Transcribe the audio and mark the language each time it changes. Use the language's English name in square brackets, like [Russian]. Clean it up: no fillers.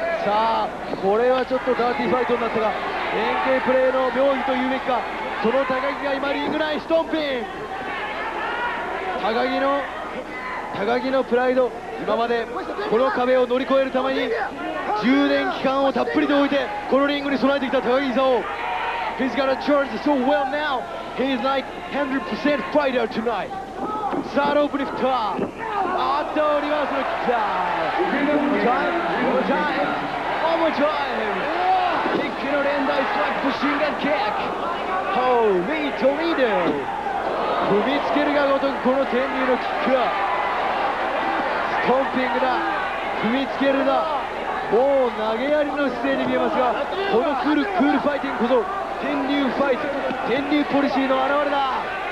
[Japanese] さあこれはちょっとダーティーファイトになったが、連携プレーの妙技というべきか。その高木が今リング内ストンピン、高木のプライド、今までこの壁を乗り越えるために充電期間をたっぷりと置いてこのリングに備えてきた高木さん。 [English] He's got a charge so well now. He's like 100% fighter tonight. [Japanese] さあロープリフター、あっとリバースのキックだ。オーバータイム、キックの連打、スラックシューガンキック、ホーミートミード、踏みつけるがごとくこの天竜のキックはトンピングだ、踏みつけるだ、もう投げやりの姿勢に見えますが、このクールファイティングこそ天竜ファイト、天竜ポリシーの表れだ。